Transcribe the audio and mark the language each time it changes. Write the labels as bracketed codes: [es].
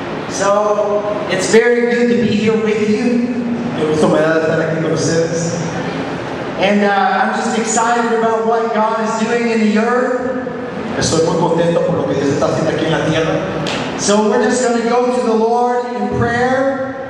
[en] So, it's very good to be here with you. [es] Me gusta estar aquí con ustedes. [en] And I'm just excited about what God is doing in the earth. [es] Estoy muy contento por lo que Dios está haciendo aquí en la tierra. [en] So we're just going to go to the Lord in prayer.